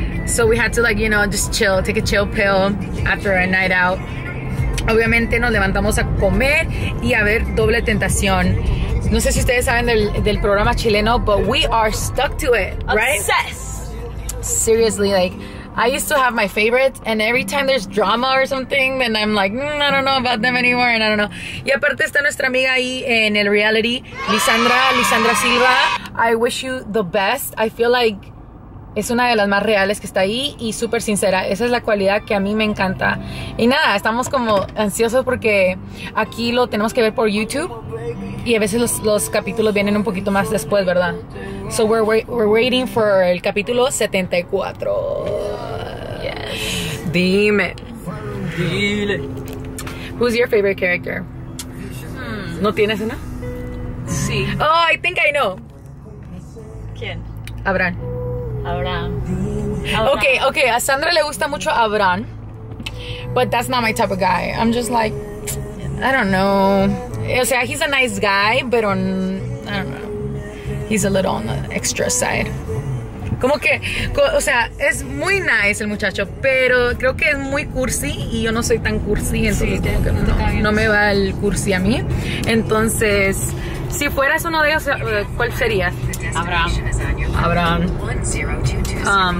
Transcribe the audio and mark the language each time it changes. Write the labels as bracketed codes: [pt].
[en] So we had to, like, you know, just chill, take a chill pill after a night out. [es] Obviamente nos levantamos a comer y a ver Doble Tentación. No sé si ustedes saben del programa chileno, [en] but we are stuck to it, right? Obsessed. Seriously, like, I used to have my favorites, and every time there's drama or something, then I'm like, I don't know about them anymore, and I don't know. [es] Y aparte está nuestra amiga ahí en el reality, Lisandra Silva. [en] I wish you the best. I feel like [es] es una de las más reales que está ahí y súper sincera. Esa es la cualidad que a mí me encanta. Y nada, estamos como ansiosos porque aquí lo tenemos que ver por YouTube. Y a veces los capítulos vienen un poquito más después, ¿verdad? [en] So we're waiting for [es] el capítulo [en] 74. Yes. [es] Dime. Dile. [en] Who's your favorite character? [es] ¿No tienes una? Sí. [en] Oh, I think I know. [es] ¿Quién? Abraham. Abraham. [en] Okay, [es] a Sandra le gusta mucho Abraham, [en] but that's not my type of guy. I'm just like, I don't know. [es] O sea, [en] he's a nice guy, but on, I don't know. He's a little on the extra side. [es] Como que, o sea, es muy nice el muchacho, pero creo que es muy cursi y yo no soy tan cursi, entonces sí, no me va el cursi a mí. Entonces, si fueras uno de ellos, ¿cuál sería? Abraham.